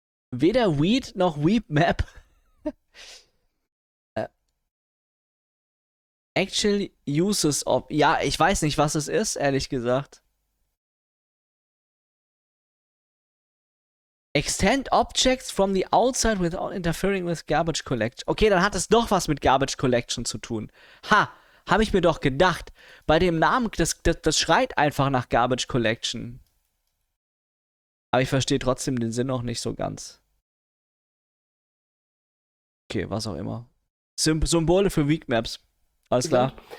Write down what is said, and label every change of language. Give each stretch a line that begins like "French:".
German: Weder weed noch weep map.
English: Actual uses of.
German: Ja, ich weiß nicht, was es ist, ehrlich gesagt.
English: Extend objects from the outside without interfering with garbage collection.
German: Okay, dann hat es doch was mit garbage collection zu tun. Ha! Habe ich mir doch gedacht. Bei dem Namen, das schreit einfach nach garbage collection. Aber ich verstehe trotzdem den Sinn noch nicht so ganz. Okay, was auch immer. Symbole für Weak Maps. Alles klar.